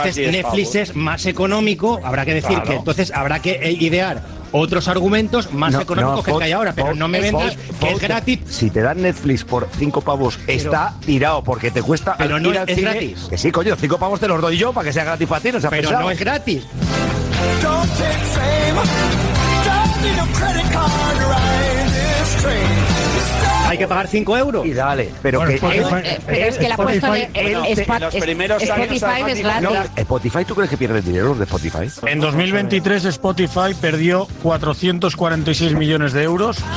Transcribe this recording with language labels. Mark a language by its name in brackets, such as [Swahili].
[Spanish] Pues entonces Netflix es más económico, habrá que decir claro. Que entonces habrá que idear... Otros argumentos más no, económicos no, que hay ahora, pero no me vendas que es gratis. Si te dan Netflix por 5 pavos, pero, está tirado porque te cuesta. Pero no es gratis. Que sí, coño, 5 pavos te los doy yo para que sea gratis para ti, no sea pero pesado. No es gratis. [English] Don't take fame, don't need a credit card to ride this train. [Spanish] Hay que pagar 5 euros. Y dale. Pero, bueno, que Spotify, pero es que la apuesta de Spotify es gratis. ¿Spotify tú crees que pierde dinero los de Spotify? En 2023 Spotify perdió 446 millones de euros.